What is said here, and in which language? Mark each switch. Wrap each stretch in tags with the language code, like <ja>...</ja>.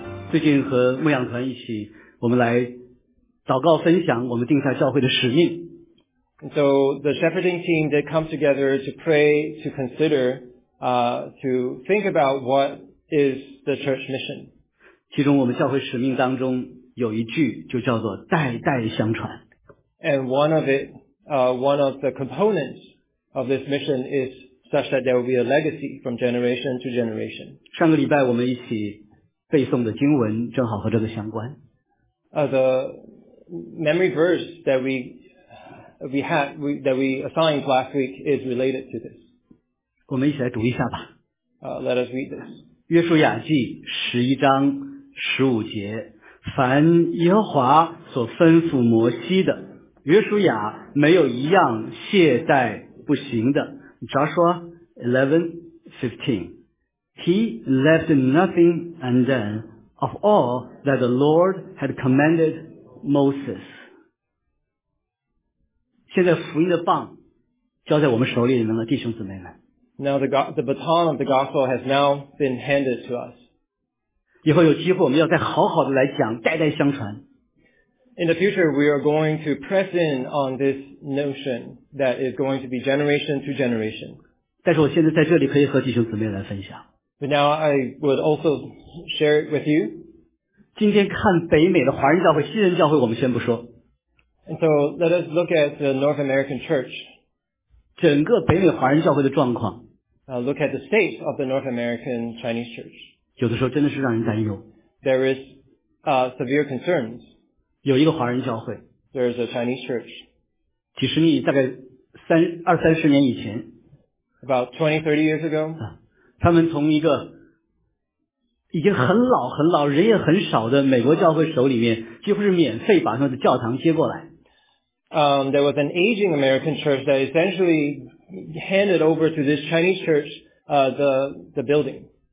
<zh>最近和牧养团一起，我们来祷告分享我们定下教会的使命。</zh> <en>And so the shepherding team did come together to pray, to consider, to think about what is the church mission.</en> <zh>其中我们教会使命当中有一句就叫做代代相传。</zh> <en>And one of it, one of the components of this mission is such that there will be a legacy from generation to generation.</en> <zh>上个礼拜我们一起背诵的经文正好和这个相关。</zh> <en>The memory verse that we assigned last week is related to this.</en> <zh>我们一起来读一下吧。</zh> <en>Let us read this.</en> <zh>约书亚记十一章十五节，凡耶和华所吩咐摩西的，约书亚没有一样懈怠不行的。主要说</zh> <en>11:15 He left nothing undone of all that the Lord had commanded Moses.</en> <zh>现在福音的棒交在我们手里面了，弟兄姊妹们。</zh> <en>Now the baton of the gospel has now been handed to us.</en> <zh>以后有机会我们要再好好的来讲代代相传。</zh> <en>In the future, we are going to press in on this notion that is going to be generation to generation.</en> <zh>但是我现在在这里可以和弟兄姊妹来分享。</zh> <en>But now I would also share it with you.</en> <zh>今天看北美的华人教会、西人教会，我们先不说。</zh> <en>And so let us look at the North American Church.</en> <zh>整个北美华人教会的状况。</zh> <en>Look at the state of the North American Chinese Church.</en> <zh>有的时候真的是让人担忧。</zh> <en>There is severe concerns.</en> <zh>有一个华人教会。</zh> <en>There is a Chinese Church.</en> <zh>几十年，大概二三十年以前。</zh> <en>About 20-30 years ago.</en> <zh>他们从一个已经很老很老人也很少的美国教会手里面几乎是免费把他们的教堂接过来。</zh> <en>There was an aging American church that essentially handed over to this Chinese church, the building.</en>